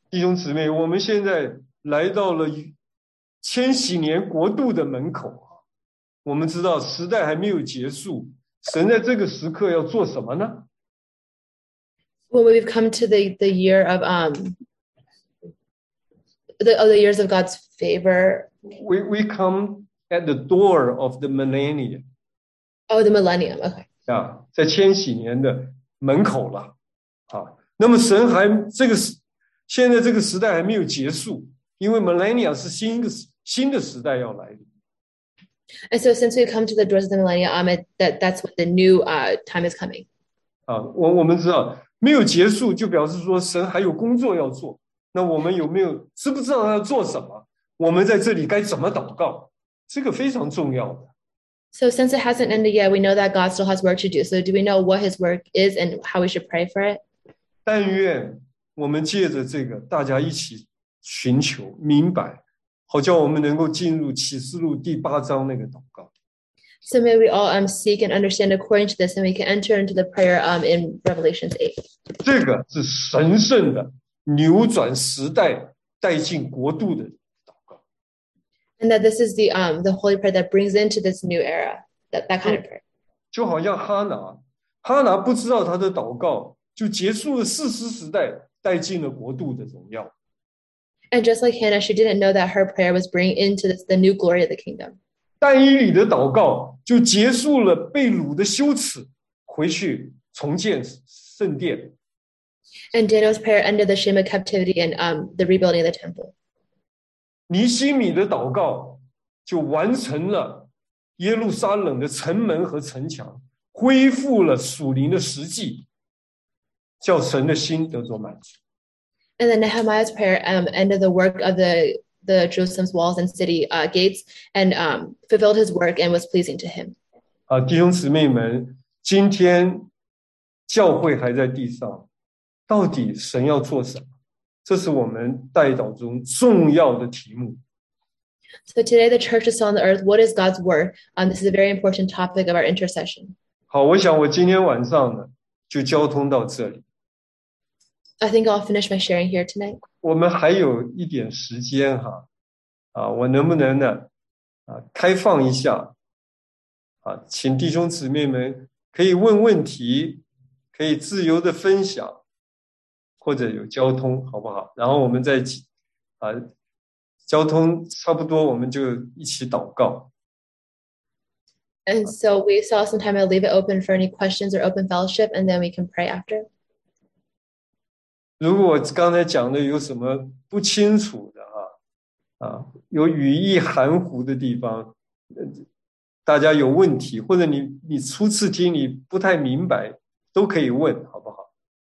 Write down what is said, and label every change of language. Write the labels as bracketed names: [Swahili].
[Chinese] 弟兄姊妹，我们现在来到了千禧年国度的门口啊！我们知道时代还没有结束，神在这个时刻要做什么呢 [English] ？Well, we've come to the year of the years of God's favor. We come at the door of the millennium. Oh, the millennium. Okay. [Chinese] 啊，在千禧年的门口了。那么神还这个现在这个时代还没有结束，因为 millennium 是新的时代要来临。 [English] And so since we come to the doors of the millennium, that's what the new time is coming. [Chinese] 我们知道没有结束，就表示说神还有工作要做。那我们有没有知不知道他要做什么？我们在这里该怎么祷告？这个非常重要的。 [English] So since it hasn't ended yet, we know that God still has work to do. So do we know what His work is and how we should pray for it? [Chinese] 但愿我们借着这个，大家一起寻求明白，好叫我们能够进入启示录第八章那个祷告。 [English] So may we all seek and understand according to this, and we can enter into the prayer in Revelation 8. [Chinese] 这个是神圣的扭转时代带进国度的祷告。 [English] And that this is the holy prayer that brings into this new era, that kind of prayer. [Chinese] 就好像哈拿，哈拿不知道他的祷告就结束了士师时代，带进了国度的荣耀。 [English] And just like Hannah, she didn't know that her prayer was bringing into the new glory of the kingdom. [Chinese] 但以理的祷告就结束了被掳的羞耻，回去重建圣殿。 [English] And Daniel's prayer ended the shame of captivity and the rebuilding of the temple. [Chinese] 尼希米的祷告就完成了耶路撒冷的城门和城墙，恢复了属灵的实际，叫神的心得着满足。 [English] And then Nehemiah's prayer ended the work of the Jerusalem's walls and city gates and fulfilled his work and was pleasing to him. [Chinese] 弟兄姊妹们，今天教会还在地上，到底神要做什么？这是我们代祷中重要的题目。 [English] So today the church is on the earth. What is God's work? This is a very important topic of our intercession. [Chinese] 好，我想我今天晚上呢，就交通到这里。 [English] I think I'll finish my sharing here tonight. [Chinese] 我们还有一点时间哈，我能不能呢，开放一下，请弟兄姊妹们可以问问题，可以自由的分享，或者有交通，好不好？然后我们再，交通差不多，我们就一起祷告。 [English] And so we saw some time. I'll leave it open for any questions or open fellowship, and then we can pray after. [Chinese] 如果我刚才讲的有什么不清楚的有语义含糊的地方，大家有问题，或者你初次听你不太明白，都可以问，好不好？